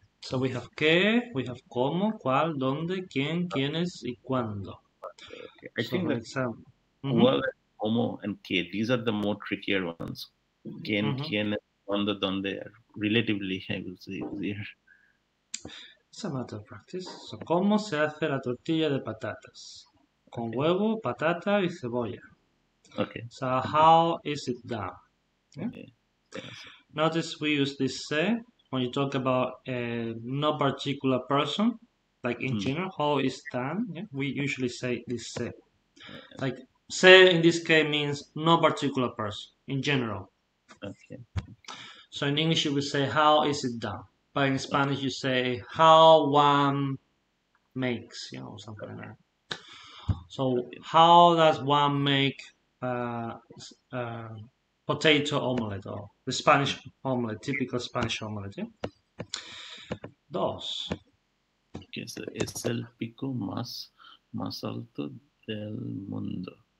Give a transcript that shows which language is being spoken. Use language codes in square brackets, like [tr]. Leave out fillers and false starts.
[en] So we have qué, we have cómo, cuál, dónde, quién, quiénes, y cuándo. I So think for that example. well, homo and que, these are the more trickier ones. Quien, quién, cuando, dónde are relatively, I would say, easier. It's a matter of practice. [es] So, ¿cómo se hace la tortilla de patatas? Con huevo, patata y cebolla. [en] Okay. So, how is it done? Yeah. Notice we use this se when you talk about no particular person, like in general, how is done? Yeah. We usually say this se. Like, se in this case means no particular person in general. So in English you would say how is it done, but in Spanish you say how one makes, you know, something like that. So how does one make potato omelette or the Spanish omelette, typical Spanish omelette? [es] Dos. [en] Okay, so [es] es el pico más alto del mundo.